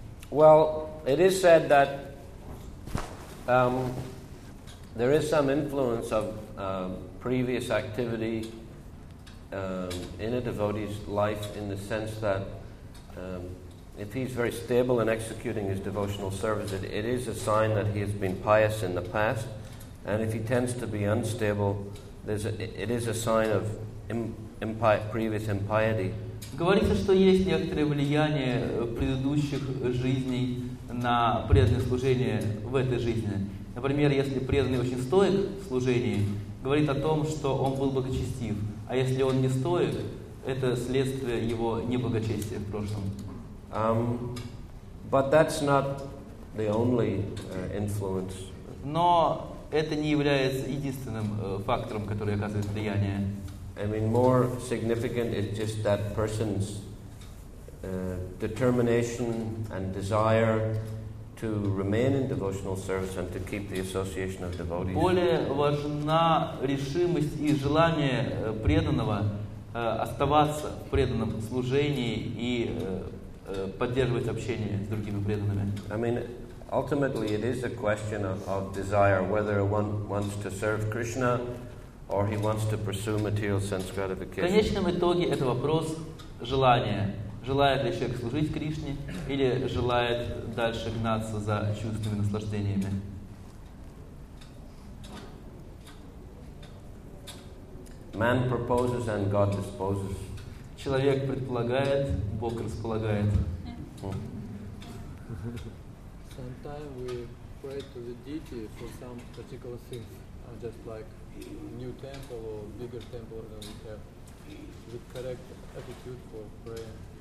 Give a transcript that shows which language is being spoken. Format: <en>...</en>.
<en>Well, it is said that there is some influence of previous activity in a devotee's life, in the sense that if he's very stable in executing his devotional service, it is a sign that he has been pious in the past. And if he tends to be unstable, it is a sign of previous impiety.</en> <ru>Говорится, что есть некоторое влияние предыдущих жизней на преданное служение в этой жизни. Например, если преданный очень стоек в служении, говорит о том, что он был благочестив. А если он не стоек, это следствие его неблагочестия в прошлом.</ru> <en>But that's not the only influence.</en> <ru>Но это не является единственным фактором, который оказывает влияние.</ru> <en>I mean, more significant is just that person's determination and desire to remain in devotional service and to keep the association of devotees.</en> <ru>Более важна решимость и желание преданного оставаться в преданном служении и поддерживать общение с другими преданными.</ru> <en>I mean, ultimately, it is a question of desire, whether one wants to serve Krishna or he wants to pursue material sense gratification.</en> <ru>В конечном итоге это вопрос желания. Желает ли человек служить Кришне или желает дальше гнаться за чувствами и наслаждениями?</ru> <en>Man proposes and God disposes.</en> <ru>Человек предполагает, Бог располагает.</ru> <en>Sometimes we pray to the deity for some particular things, just like new temple or bigger temple, and we have the correct attitude for praying.</en>